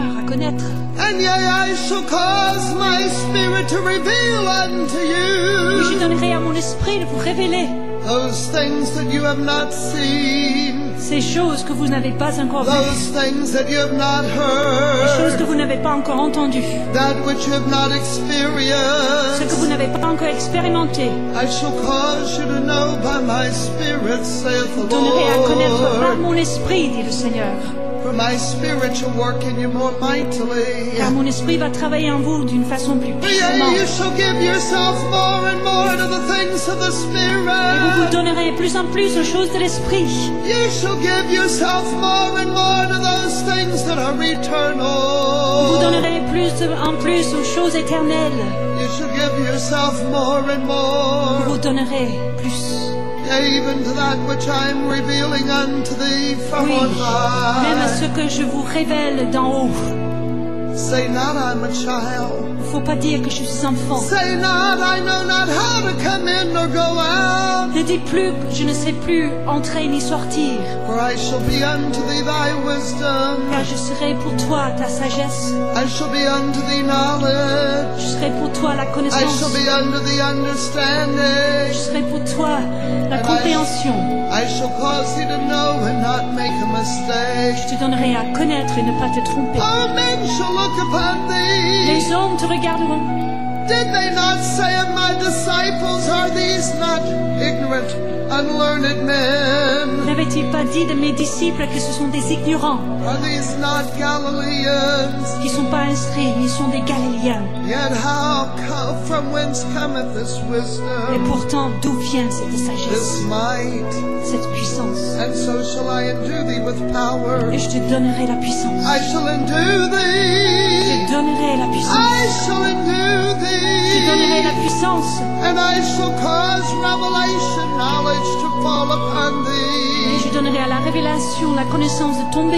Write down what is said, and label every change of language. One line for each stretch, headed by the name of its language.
French: Je donnerai à mon esprit de vous révéler.
English: Those things that you have not seen.
French: Ces choses que vous n'avez pas encore vues.
English: Those things that you have not heard.
French: Les choses que vous n'avez pas encore entendues.
English: That which you have not experienced.
French: Ce que vous n'avez pas encore expérimenté.
English: I shall cause you to know by my spirit, saith the Lord.
French: Vous donnerez à connaître par mon esprit, dit le Seigneur.
English: For my spirit shall work in you more mightily.
French: Car mon esprit va travailler en vous d'une façon plus puissante.
English: You shall give yourself more and more to the things of the spirit.
French: Et vous vous donnerez plus en plus aux choses de l'esprit.
English: You shall give yourself more and more to those things that are eternal.
French: Vous donnerez plus en plus aux choses éternelles.
English: You shall give yourself more and more.
French: Vous donnerez plus.
English: Even to that which I am revealing unto thee from
French: oui,
English: on high.
French: Même à ce que je vous révèle d'en haut.
English: Say not I'm a child.
French: Faut pas dire que je suis enfant.
English: Say not I know not how to come in or go out.
French: Ne dis plus je ne sais plus entrer ni sortir.
English: For I shall be unto thee thy wisdom.
French: Car je serai pour toi ta sagesse.
English: I shall be unto thee knowledge.
French: Je serai pour toi la connaissance.
English: I shall be unto thee understanding.
French: Je serai pour toi la compréhension.
English: I shall cause thee to know and not make a mistake.
French: Je te donnerai à connaître et ne pas te tromper.
English: All men shall look upon thee.
French: Les hommes te regarderont.
English: Did they not say of my disciples, are these not ignorant, unlearned men?
French: N'avaient-ils pas dit de mes disciples que ce sont des ignorants?
English: Are these not Galileans?
French: Qui sont pas instruits, ils sont des Galiléens.
English: Yet how come, from whence cometh this wisdom?
French: Et pourtant, d'où vient cette sagesse?
English: This might.
French: Cette puissance.
English: And so shall I endue thee with power.
French: Et je te donnerai la puissance.
English: I shall endue thee.
French: Je donnerai la puissance.
English: I shall endue thee.
French: Je donnerai la puissance.
English: And I shall cause revelation knowledge to fall upon thee.
French: Et je donnerai à la révélation la connaissance de tomber